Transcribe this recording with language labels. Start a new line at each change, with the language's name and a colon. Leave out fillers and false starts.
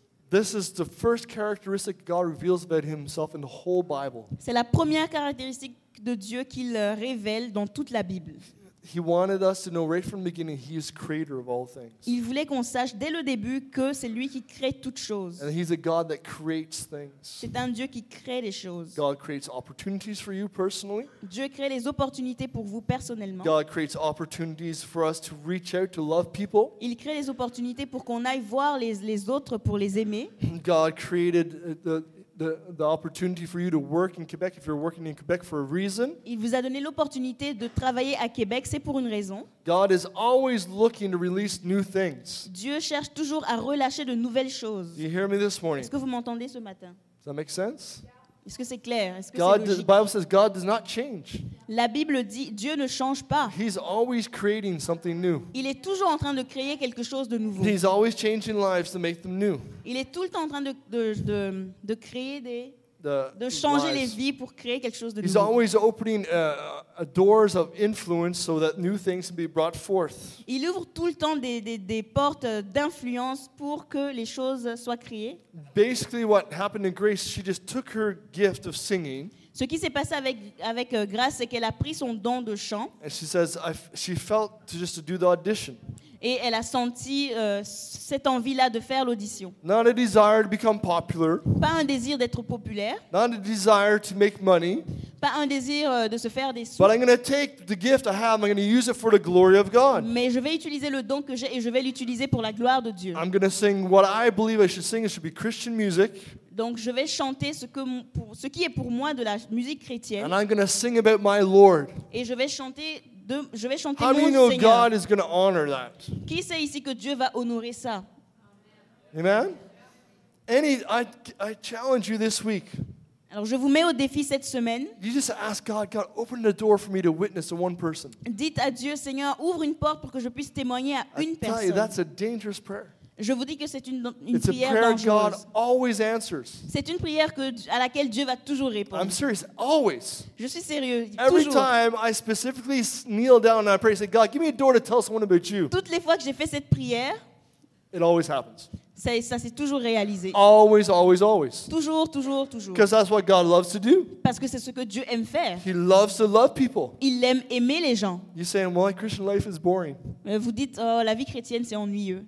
English: This is the first characteristic God reveals about himself in the whole Bible.
French: C'est la première caractéristique de Dieu qu'il révèle dans toute la Bible.
English: He wanted us to know right from the beginning he is creator of all things.
French: Il voulait qu'on sache dès le début que c'est lui qui crée toutes choses.
English: And he's a God that creates things.
French: C'est un Dieu qui crée des choses.
English: God creates opportunities for you personally.
French: Dieu crée les opportunités pour vous personnellement.
English: God creates opportunities for us to reach out to love people.
French: Il crée les opportunités pour qu'on aille voir les autres pour les aimer.
English: God created the opportunity for you to work in Quebec if you're working in Quebec for a reason.
French: Il vous a donné l'opportunité de travailler à Québec, c'est pour une raison.
English: God is always looking to release new things.
French: Dieu cherche toujours à relâcher de nouvelles choses.
English: You hear me this morning?
French: Est-ce que vous m'entendez ce matin?
English: Does that make sense?
French: Est-ce que c'est clair? Est-ce que
English: God
French: c'est logique?
English: The Bible says God does not change.
French: La Bible dit Dieu ne change pas.
English: He's always creating something new.
French: Il est toujours en train de créer quelque chose de nouveau.
English: He's always changing lives to make them new.
French: Il est tout le temps en train de créer des de changer les vies pour créer quelque chose de
English: He's
French: nouveau.
English: He's always opening doors of influence so that new things can be brought forth.
French: Il ouvre tout le temps des portes d'influence pour que les choses soient créées.
English: Basically, what happened in Grace, she just took her gift of singing.
French: Ce qui s'est passé avec Grace, c'est qu'elle a pris son don de chant.
English: And she says, she felt just to do the audition.
French: Et elle a senti cette envie-là de faire l'audition.
English: Not a desire to become popular.
French: Pas un désir d'être populaire.
English: Not a desire to make money.
French: Pas un désir de se faire des sous.
English: But I'm going to take the gift I have, I'm going to use it for the glory of God.
French: Mais je vais utiliser le don que j'ai et je vais l'utiliser pour la gloire de Dieu.
English: I'm going to sing what I believe I should sing. It should be Christian music.
French: Donc je vais chanter ce qui est pour moi de la musique chrétienne.
English: And I'm going to sing about my Lord.
French: Et je vais chanter. Je vais chanter
English: How do you know God is going to honor that?
French: Qui sait ici que Dieu va honorer ça?
English: Amen. I challenge you this week.
French: Alors je vous mets au défi cette semaine.
English: You just ask God, open the door for me to witness to one person.
French: Dites à Dieu, Seigneur, ouvre une porte pour que je puisse témoigner à une personne.
English: I tell you, that's a dangerous prayer.
French: Je vous dis que c'est une prière dangereuse.
English: It's a prayer God always answers.
French: C'est une prière à laquelle Dieu va toujours répondre.
English: I'm serious, always.
French: Je suis sérieux,
English: Every
French: toujours.
English: Every time I specifically kneel down and I pray, I say, God, give me a door to tell someone about you.
French: Toutes les fois que j'ai fait cette prière,
English: it always happens.
French: Ça s'est toujours réalisé.
English: Always, always, always.
French: Toujours, toujours, toujours.
English: Because that's what God loves to do.
French: Parce que c'est ce que Dieu aime faire.
English: He loves to love people.
French: Il aime aimer les gens.
English: You're saying, well, Christian life is boring.
French: Vous dites, oh, la vie chrétienne, c'est ennuyeux.